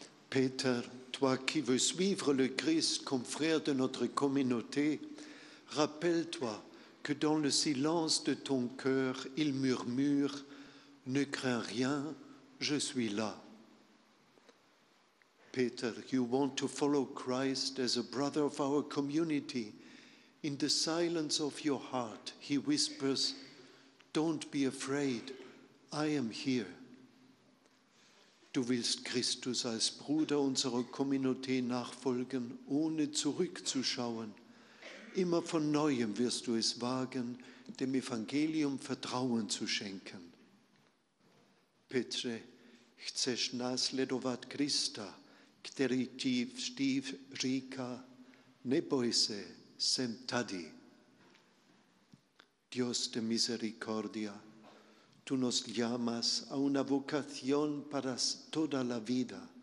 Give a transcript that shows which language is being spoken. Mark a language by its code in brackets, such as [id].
[fr] Peter, toi qui veux suivre le Christ comme frère de notre communauté, rappelle-toi que dans le silence de ton cœur, il murmure « Ne crains rien, je suis là ». [en] Peter, you want to follow Christ as a brother of our community. In the silence of your heart, he whispers, Don't be afraid, I am here. [de] Du willst Christus als Bruder unserer Community nachfolgen, ohne zurückzuschauen. Immer von Neuem wirst du es wagen, dem Evangelium Vertrauen zu schenken. [cs] Petre, chceš následovat Krista, který ti vždyť říká, neboj se, jsem tady. [es] Dios de misericordia, tú nos llamas a una vocación para toda la vida.